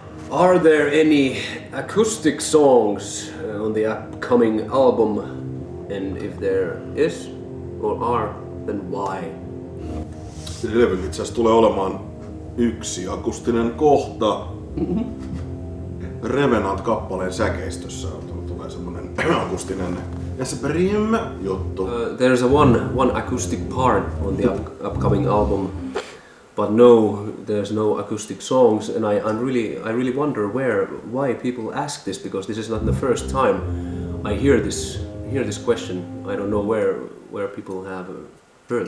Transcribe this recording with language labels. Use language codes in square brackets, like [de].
[en] Are there any acoustic songs on the upcoming album? And if there is or are, then why? [fi] Levy itse asiassa tulee olemaan yksi akustinen kohta. Revenant-kappaleen säkeistössä tulee semmoinen akustinen esprim juttu. [en] There's a one acoustic part on the upcoming album, but no, there's no acoustic songs, and I really wonder why people ask this, because this is not the first time I hear this question. I don't know where people have heard